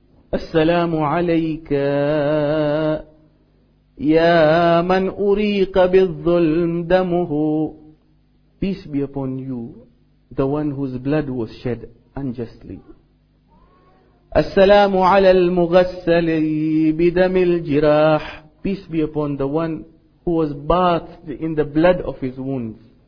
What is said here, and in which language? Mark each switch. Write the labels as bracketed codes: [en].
[ar] As-salamu alayka يا من أريق بالظلم دمه. [en] Peace be upon you, the one whose blood was shed unjustly. [ar] السلام على المغسل بدم الجراح. [en] Peace be upon the one who was bathed in the blood of his wounds.